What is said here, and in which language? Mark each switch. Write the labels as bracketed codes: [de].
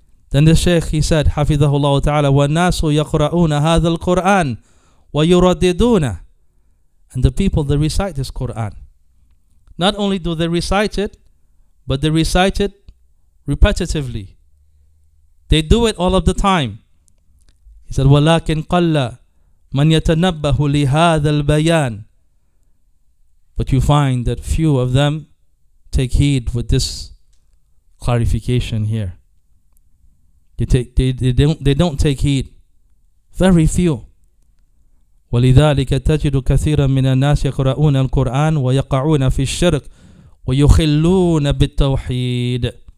[en] Then the Shaykh, he said, Hafidhahullah Ta'ala, [ar] wa nasu yaqra'una hadha al-Quran wa yuraddiduna. [en] And the people, they recite this Quran. Not only do they recite it, but they recite it repetitively. They do it all of the time. He said, [ar] وَلَكِنْ قَلَّ مَنْ يَتَنَبَّهُ لِهَذَا الْبَيَانِ. [en] But you find that few of them take heed with this clarification here. They don't take heed. Very few. [ar] وَلِذَٰلِكَ تَجِدُ كَثِيرًا مِنَ النَّاسِ يَقْرَؤُونَ الْقُرْآنَ وَيَقَعُونَ فِي الشِّرْكِ وَيُخِلُّونَ بِالتَّوْحِيدِ.